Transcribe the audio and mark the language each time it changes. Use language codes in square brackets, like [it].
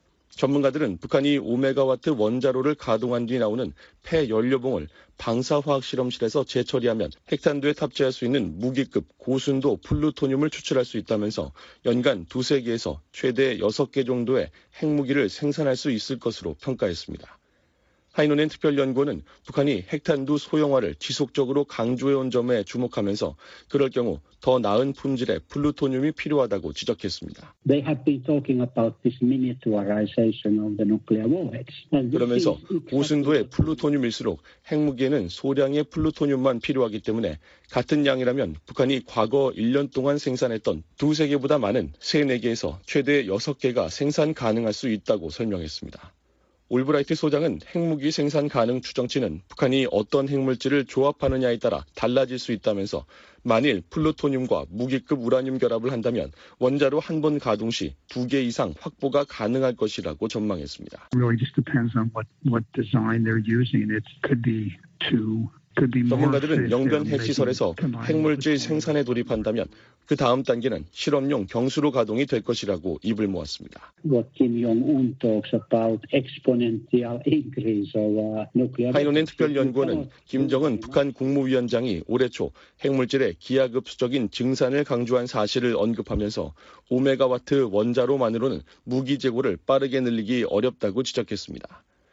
[ko] 전문가들은 북한이 5메가와트 원자로를 가동한 뒤 나오는 폐연료봉을 방사화학 실험실에서 재처리하면 핵탄두에 탑재할 수 있는 무기급 고순도 플루토늄을 추출할 수 있다면서 연간 두세 개에서 최대 여섯 개 정도의 핵무기를 생산할 수 있을 것으로 평가했습니다. 하이노넨 특별연구원은 북한이 핵탄두 소형화를 지속적으로 강조해온 점에 주목하면서 그럴 경우 더 나은 품질의 플루토늄이 필요하다고 지적했습니다. [en] They have been talking about this miniaturization of the nuclear warheads. [ko] 그러면서 고순도의 플루토늄일수록 핵무기에는 소량의 플루토늄만 필요하기 때문에 같은 양이라면 북한이 과거 1년 동안 생산했던 두세 개보다 많은 세네 개에서 최대 여섯 개가 생산 가능할 수 있다고 설명했습니다. 올브라이트 소장은 핵무기 생산 가능 추정치는 북한이 어떤 핵물질을 조합하느냐에 따라 달라질 수 있다면서 만일 플루토늄과 무기급 우라늄 결합을 한다면 원자로 한 번 가동 시 두 개 이상 확보가 가능할 것이라고 전망했습니다. [en] Really just depends on what design they're using. It could be two [ko] 전문가들은 영변 핵시설에서 핵물질 생산에 돌입한다면 그 다음 단계는 실험용 경수로 가동이 될 것이라고 입을 모았습니다. Kim Jong-un 특별연구원은 김정은 북한 국무위원장이 올해 초 핵물질의 기하급수적인 증산을 강조한 사실을 언급하면서 5메가와트 원자로만으로는 무기 재고를 빠르게 늘리기 어렵다고 지적했습니다.